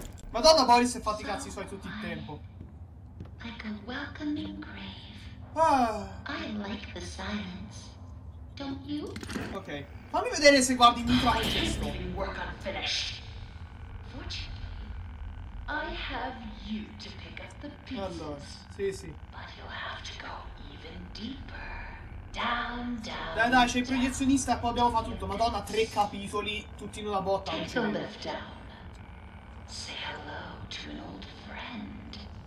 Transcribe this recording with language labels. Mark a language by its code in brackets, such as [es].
[it] Madonna, Boris si è fatti i cazzi suoi tutto il tempo. [en] Like a welcoming grave. Ah. I like the silence. Don't you? Ok. [it] Fammi vedere se guardi in mutuo anche questo. [en] Work unfinished. Fortunately, I have you to pick up the pieces. [it] Allora, sì. [en] But you have to go even deeper. Down, down. [it] Dai, dai, c'è il proiezionista e poi abbiamo fatto tutto. Madonna, tre capitoli, tutti in una botta. [en] Take the lift down. Say hello to an old friend.